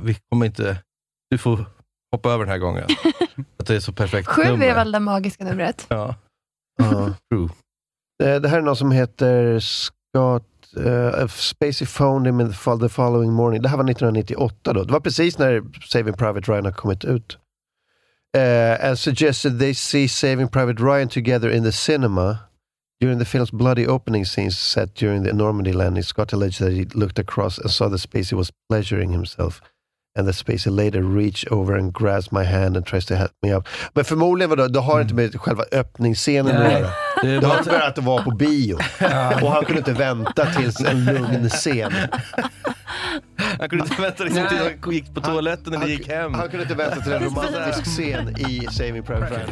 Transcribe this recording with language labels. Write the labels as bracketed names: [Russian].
[Swedish] Vi kommer inte, du får hoppa över den här gången. Att det är så perfekt. 7 är väl det magiska numret. Ja. Det här är någon som heter Scott Spacey [English] phoned him the following morning. [Swedish] Det här var 1998 då. Det var precis när Saving Private Ryan har kommit ut. [English] And suggested they see Saving Private Ryan together in the cinema during the film's bloody opening scenes set during the Normandy landing. Scott alleged that he looked across and saw that Spacey was pleasuring himself, and that Spacey later reached over and grasped my hand and tries to help me up. [Swedish] Men förmodligen var det har inte med själva öppningsscenen att göra. Det var bara att det var på bio. Och han kunde inte vänta tills en lugn scen. Han kunde inte vänta liksom tills han gick på toaletten eller gick hem. Han kunde inte vänta till en romantisk scen i Saving Private Ryan.